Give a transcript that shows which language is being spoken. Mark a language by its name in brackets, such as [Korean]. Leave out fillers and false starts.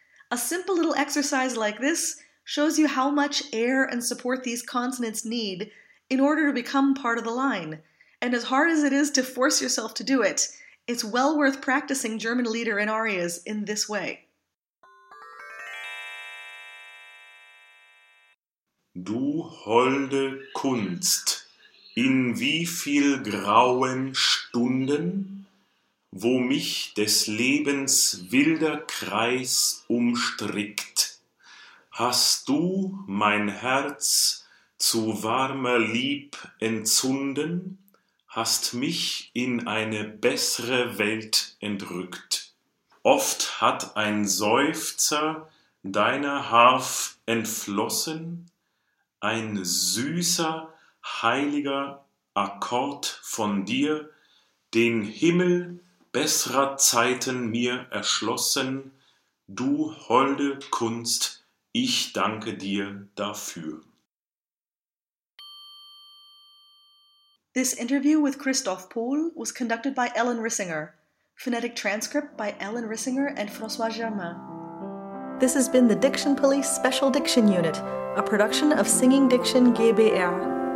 [English] A simple little exercise like this shows you how much air and support these consonants need in order to become part of the line. And as hard as it is to force yourself to do it, it's well worth practicing German leader in arias in this way. [German] Du holde Kunst, in wie viel grauen Stunden, wo mich des Lebens wilder Kreis umstrickt, hast du mein Herz zu warmer Lieb entzunden, hast mich in eine bessere Welt entrückt. Oft hat ein Seufzer deiner Harf entflossen, ein süßer, heiliger Akkord von dir, den Himmel besserer Zeiten mir erschlossen, du holde Kunst, ich danke dir dafür. [English] This interview with Christoph Pohl was conducted by Ellen Rissinger. Phonetic transcript by Ellen Rissinger and François Germain. This has been the Diction Police Special Diction Unit, a production of Singing Diction GbR.